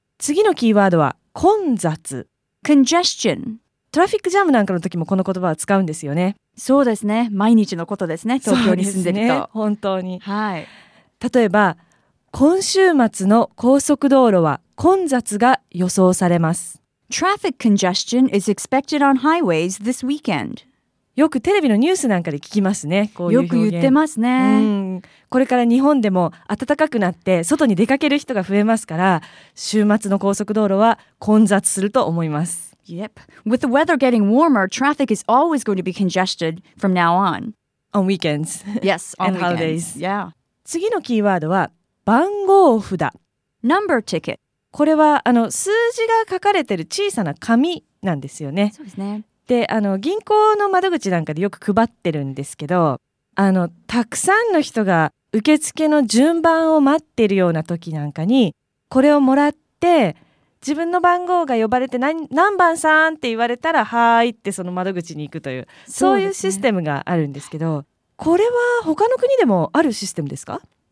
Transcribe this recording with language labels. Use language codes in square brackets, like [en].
[ja] 次のキーワードは混雑 [en] congestion。 [ja] トラフィックジャムなんかの時もこの言葉は使うんですよね。そうですね。毎日のことですね、東京に住んでると。そうですね、本当に。はい。例えば今週末の高速道路は混雑が予想されます。 [en] Traffic congestion is expected on highways this weekend. [ja] よくテレビのニュースなんかで聞きますね、こういう表現。よく言ってますね。うん。これから日本でも暖かくなって外に出かける人が増えますから、週末の高速道路は混雑すると思います。 [en] Yep. With the weather getting warmer, traffic is always going to be congested from now on. On weekends. Yes, on weekends. And holidays. Yeah. [ja] 次のキーワードは番号札 [en] Number ticket。 [ja] これは数字が書かれてる小さな紙なんですよね。そうですね。で銀行の窓口なんかでよく配ってるんですけど、たくさんの人が受付の順番を待ってるような時なんかにこれをもらって自分の番号が呼ばれて 何番さんって言われたらはいってその窓口に行くという、そうですね、そういうシステムがあるんですけど、これは他の国でもあるシステムですか。